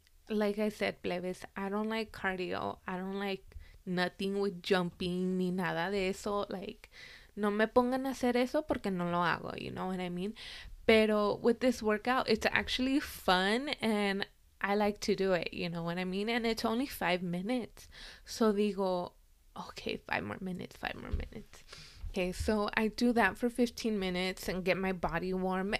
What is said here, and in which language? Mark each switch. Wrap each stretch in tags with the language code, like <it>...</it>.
<en>Like I said, plebes, I don't like cardio. I don't like nothing with jumping</en> <es>ni nada de eso. Like, no me pongan a hacer eso porque no lo hago.</es> <en>You know what I mean? Pero with this workout, it's actually fun and I like to do it, you know what I mean? And it's only 5 minutes. So digo, okay, five more minutes. Okay, so I do that for 15 minutes and get my body warm.</en>